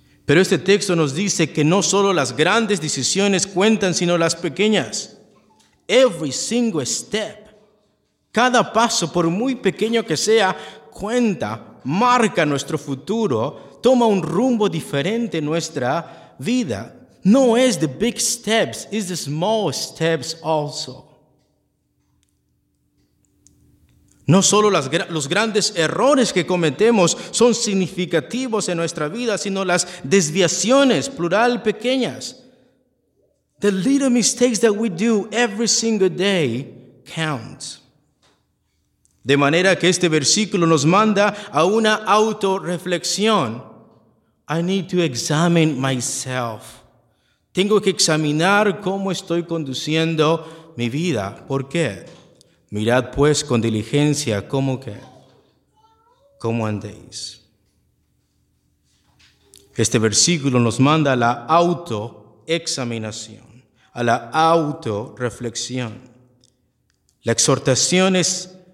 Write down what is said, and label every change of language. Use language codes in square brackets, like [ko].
[es] Pero este texto nos dice que no solo las grandes decisiones cuentan, sino las pequeñas. [en] Every single step, [es] cada paso, por muy pequeño que sea, cuenta, marca nuestro futuro, toma un rumbo diferente en nuestra vida. No es [en] the big steps, it's the small steps also. [es] No solo los grandes errores que cometemos son significativos en nuestra vida, sino las desviaciones, plural, pequeñas. [en] The little mistakes that we do every single day count. [es] De manera que este versículo nos manda a una autorreflexión. [en] I need to examine myself. [es] Tengo que examinar cómo estoy conduciendo mi vida. ¿Por qué? Mirad pues con diligencia cómo que, cómo andéis. Este versículo nos manda a la autoexaminación, a la autorreflexión. La exhortación es